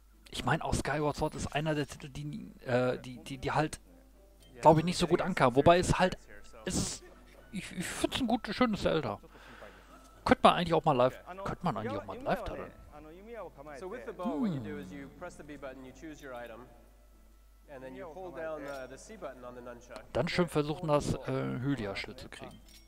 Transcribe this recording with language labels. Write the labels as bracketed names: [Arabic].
[German] Ich meine, auch Skyward Sword ist einer der Titel, die halt glaube ich, nicht so gut ankam. Wobei es halt, es ist, ich finde es ein gutes, schönes Zelda. Könnte man eigentlich auch mal live, könnte man eigentlich auch mal live teilen. [English] So with the bow, what you do is you press the B button, you choose your item, and then you pull down the C button on the nunchuck. [German] Dann schön versuchen, das Hylia-Schild zu kriegen.